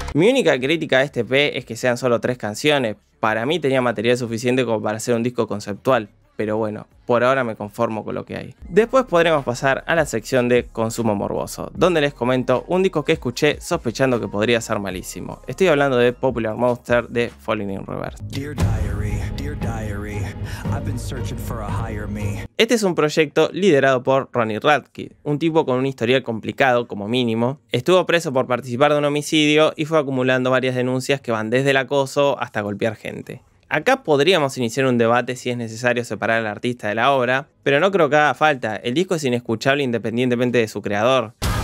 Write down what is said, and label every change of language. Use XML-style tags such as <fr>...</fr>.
<es>Mi única crítica a este EP es que sean solo tres canciones. Para mí tenía material suficiente como para hacer un disco conceptual, pero bueno, por ahora me conformo con lo que hay. Después podremos pasar a la sección de Consumo Morboso, donde les comento un disco que escuché sospechando que podría ser malísimo. Estoy hablando de Popular Monster de Falling in Reverse.</es> <en>Dear diary, dear diary, I've been searching for a higher me.</en> <es>Este es un proyecto liderado por Ronnie Radke, un tipo con un historial complicado como mínimo. Estuvo preso por participar de un homicidio y fue acumulando varias denuncias que van desde el acoso hasta golpear gente. Acá podríamos iniciar un debate si es necesario separar al artista de la obra, pero no creo que haga falta, el disco es inescuchable independientemente de su creador.</es>